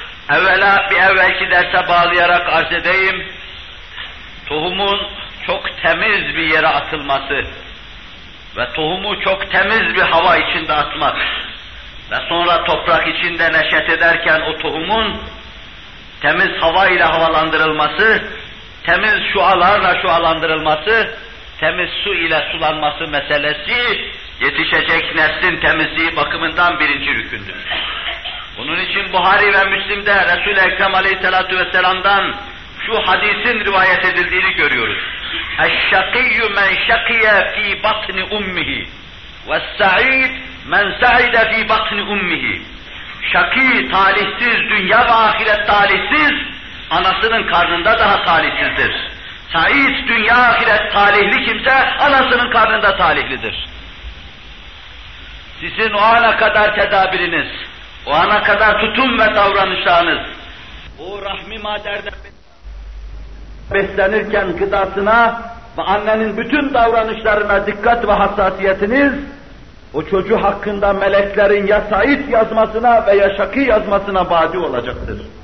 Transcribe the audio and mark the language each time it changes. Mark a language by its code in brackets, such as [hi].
[tr] Evvela bir evvelki derse bağlayarak arz edeyim, tohumun çok temiz bir yere atılması ve tohumu çok temiz bir hava içinde atmak ve sonra toprak içinde neşet ederken o tohumun temiz hava ile havalandırılması, temiz şualarla şualandırılması, temiz su ile sulanması meselesi yetişecek neslin temizliği bakımından birinci rükündür. Bunun için Buhari ve Müslim'de Resul-i Ekrem Aleyhisselatü Vesselam'dan şu hadisin rivayet edildiğini görüyoruz. [ar] اَشَّقِيُّ مَنْ شَقِيَ ف۪ي بَطْنِ اُمِّهِ [tr] وَالسَّعِيدْ مَنْ سَعِدَ ف۪ي بَطْنِ اُمِّهِ Şakî, talihsiz, dünya ve ahiret talihsiz, anasının karnında daha talihsizdir. Sa'id, dünya ahiret talihli kimse, anasının karnında talihlidir. Sizin o ana kadar tedabiriniz, o ana kadar tutum ve davranışlarınız, o rahmi maderden beslenirken gıdasına ve annenin bütün davranışlarına dikkat ve hassasiyetiniz, o çocuğu hakkında meleklerin ya Said yazmasına veya Şakî yazmasına badi olacaktır.